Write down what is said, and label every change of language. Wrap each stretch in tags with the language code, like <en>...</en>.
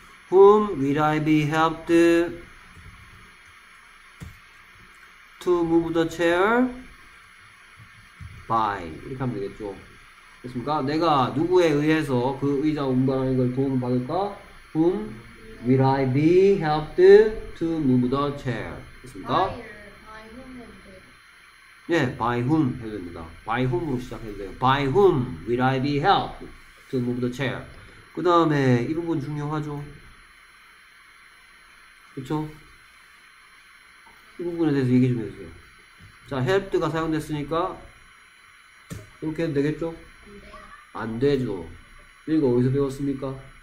<en>'Whom will I be helped to move the chair by?'</en> <ko>이렇게 하면 되겠죠. 됐습니까? 내가 누구에 의해서 그 의자 운반하는 걸 도움을 받을까?</ko> <en>'Whom will I be helped to move the chair?'</en> <ko>됐습니까?</ko> <en>By whom?</en> <ko>예,</ko> <en>by whom</en> <ko>해도 됩니다. By whom으로 시작해도 돼요.</ko> <en>By whom will I be helped to move the chair?</en> <ko>그 다음에 이 부분 중요하죠. 그쵸? 이 부분에 대해서 얘기 좀 해주세요. 자, helped가 사용됐으니까 이렇게 해도 되겠죠? 안 되죠. 이거 어디서 배웠습니까?</ko>